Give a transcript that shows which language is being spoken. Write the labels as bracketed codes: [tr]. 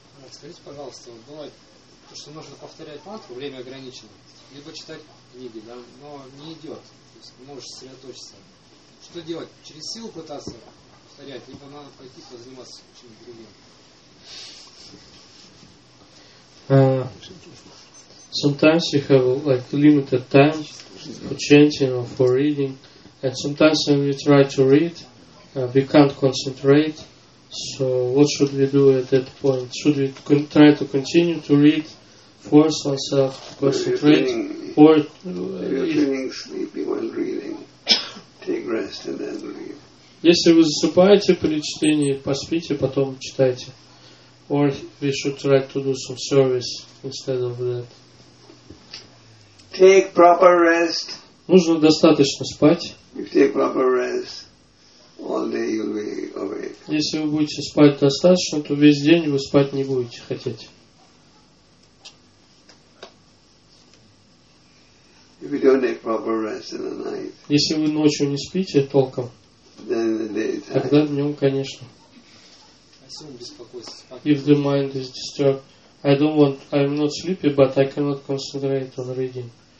[ru] Скажите, пожалуйста, вот бывает то, что нужно повторять мантру, время ограничено, либо читать книги, да, но не идет, то есть не можешь сосредоточиться. Что делать? Через силу пытаться повторять, либо надо пойти позаниматься чем-то другим? [en] Sometimes you have like limited time for chanting or for reading, and sometimes when we try to read, we can't concentrate. So what should we do at that point? Should we try to continue to read, force ourselves to concentrate, or if you're feeling sleepy while reading, take rest and then read. [ru] Если вы засыпаете при чтении, поспите, потом читайте. [en] Or we should try to do some service instead of that. Take proper rest. [ru] Нужно достаточно спать. [en] If take proper rest. All day you'll be awake. [ru] Если вы будете спать достаточно, то весь день вы спать не будете хотеть. [en] If you don't take proper rest in the night. [ru] Если вы ночью не спите толком, [en] then in the daytime. [ru] Тогда днем, конечно. [en] If the mind is disturbed, I'm not sleepy, but I cannot concentrate on reading.